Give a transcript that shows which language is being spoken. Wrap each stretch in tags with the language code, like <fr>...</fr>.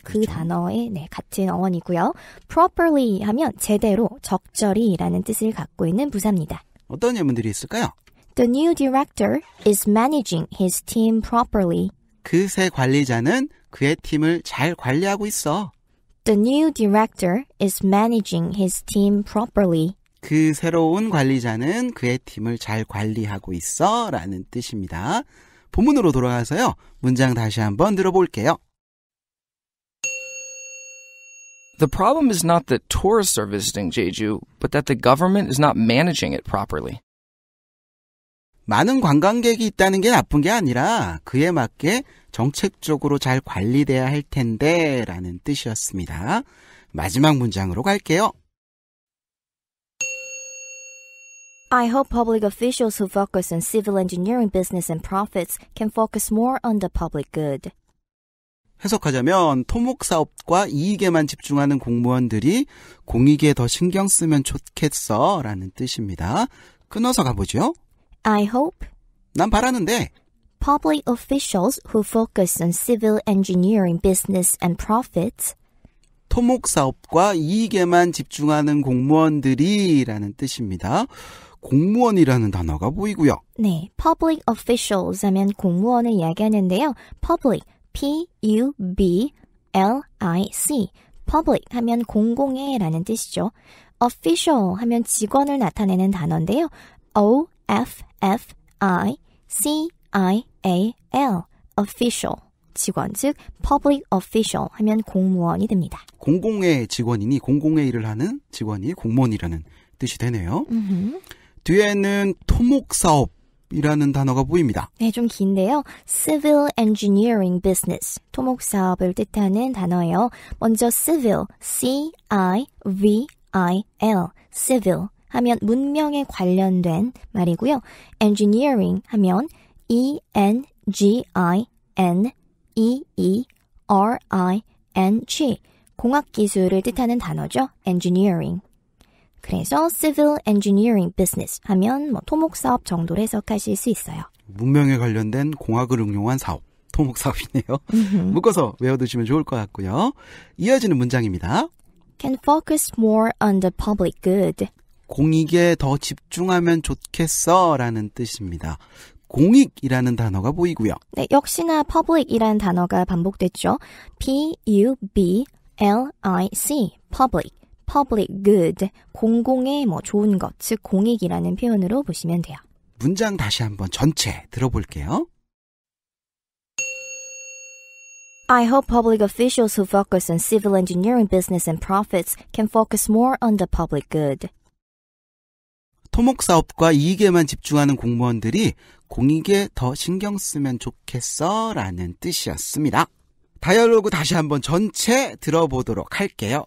<ko>그 단어의 네, 같은 어원이고요. Properly 하면 제대로, 적절히라는 뜻을 갖고 있는 부사입니다. 어떤 예문들이 있을까요?</ko> <en>The new director is managing his team properly.</en> <ko>그 새 관리자는 그의 팀을 잘 관리하고 있어.</ko> <en>The new director is managing his team properly.</en> <ko>그 새로운 관리자는 그의 팀을 잘 관리하고 있어 라는 뜻입니다. 본문으로 돌아가서요. 문장 다시 한번 들어볼게요.</ko> <en>The problem is not that tourists are visiting Jeju, but that the government is not managing it properly.</en> <ko>많은 관광객이 있다는 게 나쁜 게 아니라 그에 맞게 정책적으로 잘 관리돼야 할 텐데 라는 뜻이었습니다. 마지막 문장으로 갈게요.</ko> <en>I hope public officials who focus on civil engineering business and profits can focus more on the public good.</en> <ko>해석하자면 토목사업과 이익에만 집중하는 공무원들이 공익에 더 신경 쓰면 좋겠어 라는 뜻입니다. 끊어서 가보죠.</ko> <en>I hope</en> <ko>난 바라는데</ko> <en>public officials who focus on civil engineering business and profits</en> <ko>토목사업과 이익에만 집중하는 공무원들이 라는 뜻입니다. 공무원이라는 단어가 보이고요. 네,</ko> <en>public officials</en> <ko>하면 공무원을 이야기하는데요. public, P-U-B-L-I-C public 하면 공공의 라는 뜻이죠. official 하면 직원을 나타내는 단어인데요. O F F I C I A L official 직원 즉</ko> <en>public official</en> <ko>하면 공무원이 됩니다. 공공의 직원이니 공공의 일을 하는 직원이 공무원이라는 뜻이 되네요. Mm-hmm. 뒤에는 토목사업이라는 단어가 보입니다. 네, 좀 긴데요.</ko> <en>Civil engineering business</en> <ko>토목사업을 뜻하는 단어예요. 먼저 civil C I V I L civil 하면 문명에 관련된 말이고요. engineering 하면 E-N-G-I-N-E-E-R-I-N-G 공학기술을 뜻하는 단어죠. engineering 그래서</ko> <en>civil engineering business</en> <ko>하면 뭐 토목사업 정도로 해석하실 수 있어요. 문명에 관련된 공학을 응용한 사업, 토목사업이네요. 묶어서 외워두시면 좋을 것 같고요. 이어지는 문장입니다.</ko> <en>Can focus more on the public good.</en> <ko>공익에 더 집중하면 좋겠어라는 뜻입니다. 공익이라는 단어가 보이고요. 네, 역시나 public이라는 단어가 반복됐죠. P-U-B-L-I-C, public,</ko> <en>public good,</en> <ko>공공의 뭐 좋은 것, 즉 공익이라는 표현으로 보시면 돼요. 문장 다시 한번 전체 들어볼게요.</ko> <en>I hope public officials who focus on civil engineering business and profits can focus more on the public good.</en> <ko>토목사업과 이익에만 집중하는 공무원들이 공익에 더 신경 쓰면 좋겠어 라는 뜻이었습니다. 다이얼로그 다시 한번 전체 들어보도록 할게요.</ko>